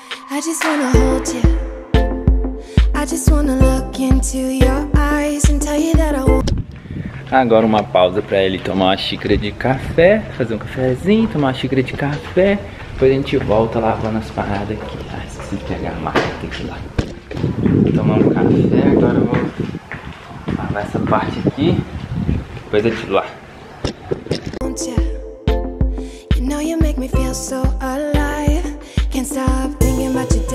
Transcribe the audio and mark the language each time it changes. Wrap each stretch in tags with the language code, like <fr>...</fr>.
<en>I just wanna hold you, I just wanna look into your eyes and tell you that I won't.</en> <pt>Agora uma pausa pra ele tomar uma xícara de café, fazer um cafezinho, tomar uma xícara de café. Depois a gente volta lavando as paradas aqui. Ah, esqueci de pegar a máquina, tem que ir lá. Tomar um café, agora eu vou lavar essa parte aqui. Depois eu tiro lá.</pt> <en>You know you make me feel so alive. Can't stop thinking about.</en>